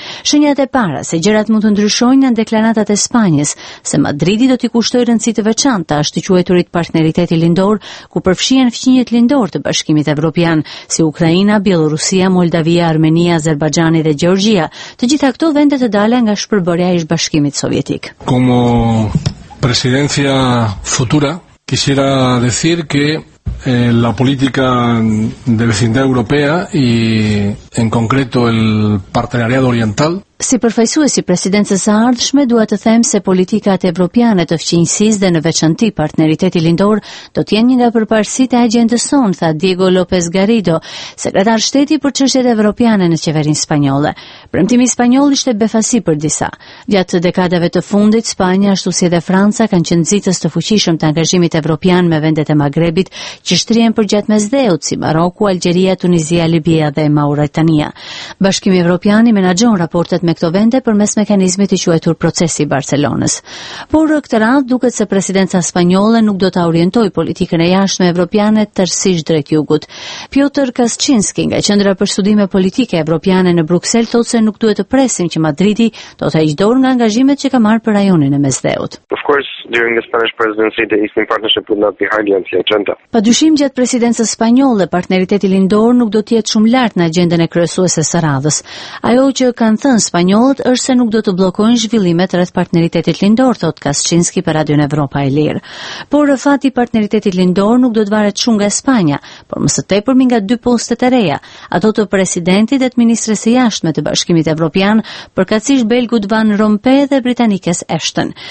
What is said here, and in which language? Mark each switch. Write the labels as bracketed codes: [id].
[sq] Shenjat e para se gjërat mund të ndryshojnë janë deklaratat e Spanjës se Madridi do t'i kushtojë rëndësi të veçantë të ashtu quajturit partneriteti lindor, ku përfshihen fqinjet lindor të Bashkimit Evropian si Ukraina, Bielorusia, Moldavia, Armenia, Azerbajxhani dhe Gjeorgjia, të gjitha këto vende të dalë nga shpërbërja e Bashkimit Sovjetik. [es] Como presidencia futura, quisiera decir que la política de vecindad europea y en concreto el partenariado oriental. [sq] Si përfaqësuesi presidencës ardhshme, dua të them se politikat evropiane të fqinjësisë dhe në veçanti partneriteti lindor do të jenë një nga përparësitë e agjendës sonë, tha Diego López Garrido, sekretar shteti për çështjet evropiane në qeverinë spanjolle. Premtimi spanjoll ishte befasi për disa. Gjatë të dekadave të fundit, Spanja ashtu si edhe Franca kanë qenë nxitës të fuqishëm të angazhimit evropian me vendet e Magrebit që shtrihen përgjatë mesdheut si Maroku, Algjeria, Tunizia, Libia dhe Mauritania. Bashkimi Evropian menaxhon raport me këto vende përmes mekanizmit i quajtur procesi i Barcelonës. Por këtë radhë duket se presidenca spanjolle nuk do ta orientojë politikën e jashtme evropiane tërësisht drejt jugut. Piotr Kaczynski nga Qendra për Studime Politike Evropiane në Bruksel thotë se nuk duhet të presim që Madridi do të heqë dorë nga angazhimet që ka marrë për rajonin e Mesdheut. [en] Of course, during the Spanish presidency the Eastern Partnership would not be hardly on the agenda. [sq] Padyshim gjatë presidencës spanjolle partneriteti lindor nuk do të jetë shumë lart në agjendën e kryesuese së radhës. Ajo që kanë thënë spanjollët është se nuk do të bllokojnë zhvillimet rreth partneritetit lindor, thot Kaczynski për Radio Evropa e Lirë. Por fati partneritetit lindor nuk do të varet shumë nga Spanja, por më së tepërmi nga dy postet e reja, ato të presidentit dhe të ministres së jashtme të Bashkimit Evropian, përkatësisht belgut Van Rompuy dhe britanikes Ashton.